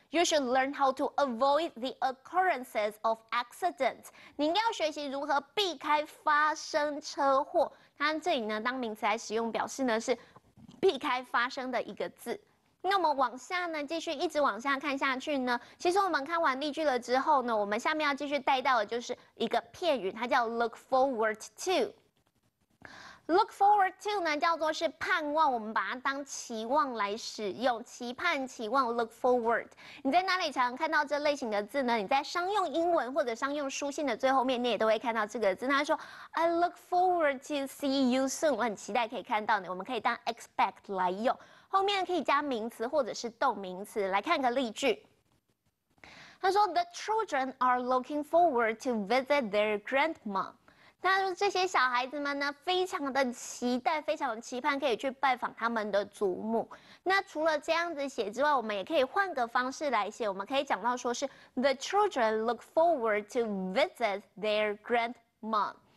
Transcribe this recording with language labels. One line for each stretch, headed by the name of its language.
English: You should learn how to avoid the occurrences of accidents。
Chinese: 你应该要学习如何避开发生车祸。它这里呢，当名词来使用，表示呢是避开发生的一个字。那么往下呢，继续一直往下看下去呢。其实我们看完例句了之后呢，我们下面要继续带到的就是一个片语，它叫 look forward to。” Look forward to 呢，叫做是盼望，我们把它当期望来使用，期盼、期望。 Look forward， 你在哪里常常看到这类型的字呢？你在商用英文或者商用书信的最后面，你也都会看到这个字。他说 ，
English: I look forward to see you soon，
Chinese: 我很期待可以看到你。我们可以当 expect 来用，后面可以加名词或者是动名词。来看个例句，他说
English: ，The children are looking forward to visit their grandma。
Chinese: 那就这些小孩子们呢，非常的期待，非常的期盼可以去拜访他们的祖母。那除了这样子写之外，我们也可以换个方式来写，我们可以讲到说是
English: The children look forward to visit their grandma。